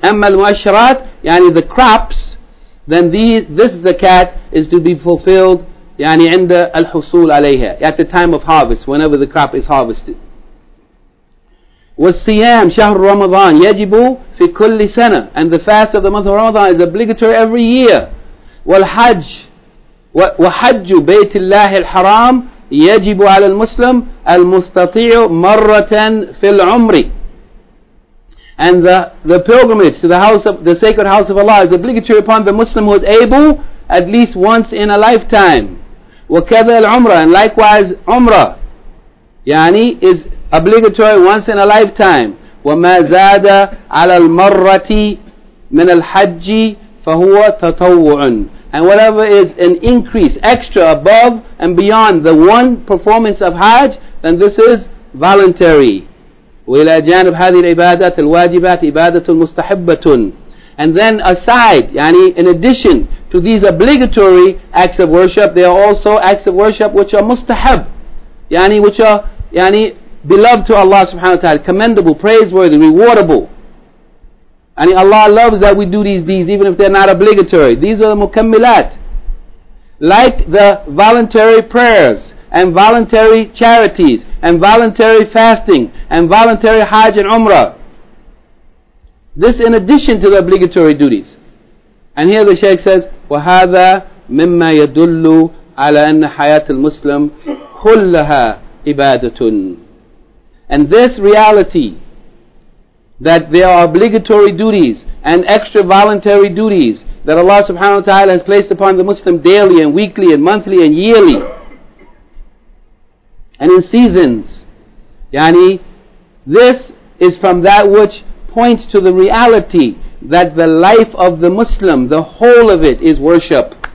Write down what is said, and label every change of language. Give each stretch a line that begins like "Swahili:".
English: Amma al-mu'asharat, yani the crops, then this zakat is to be fulfilled
Arabic: yani inda al-husul alayha,
English: at the time of harvest, whenever the crop is harvested.
Arabic: Was-siyam shahr Ramadan yajibu fi kulli sana.
English: And the fast of the month of Ramadan is obligatory every year.
Arabic: Wal-hajj wa-hajju bayt Allah al-haram يجب على المسلم المستطيع مرة في العمر.
English: And the pilgrimage to the sacred house of Allah is obligatory upon the Muslim who is able at least once in a lifetime.
Arabic: وكذا العمرة.
English: And likewise عمرة يعني is obligatory once in a lifetime.
Arabic: وما زاد على المرة من الحج فهو تطوع.
English: And whatever is an increase, extra, above and beyond the one performance of Hajj, then this is voluntary.
Arabic: وَإِلَىٰ جَانِبْ هَذِي الْعِبَادَةِ الْوَاجِبَاتِ عِبَادَةٌ مُسْتَحِبَّةٌ.
English: And then aside, yani in addition to these obligatory acts of worship, there are also acts of worship which are mustahab, yani which are yani beloved to Allah subhanahu wa ta'ala, commendable, praiseworthy, rewardable. And Allah loves that we do these deeds, even if they're not obligatory. These are the mukammilat. Like the voluntary prayers, and voluntary charities, and voluntary fasting, and voluntary Hajj and Umrah. This in addition to the obligatory duties. And here the Shaykh says,
Arabic: وَهَذَا مِمَّا يَدُلُّ عَلَىٰ أَنَّ حَيَاتِ الْمُسْلِمِ كُلَّهَا عِبَادَةٌ.
English: And this reality, that there are obligatory duties and extra voluntary duties that Allah subhanahu wa ta'ala has placed upon the Muslim daily and weekly and monthly and yearly, and in seasons. Yani, this is from that which points to the reality that the life of the Muslim, the whole of it, is worship.